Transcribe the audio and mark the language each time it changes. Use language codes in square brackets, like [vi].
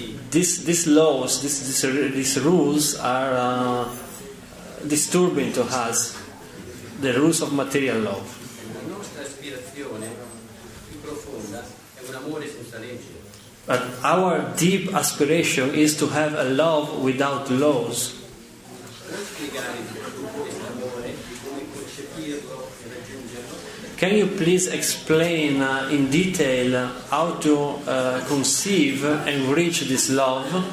[en] These laws, these rules are disturbing to us. The rules of material love. [it] La nostra aspirazione più profonda è un amore senza legge. [en] But our deep aspiration is to have a love without laws. Can you please explain in detail how to conceive and reach this love?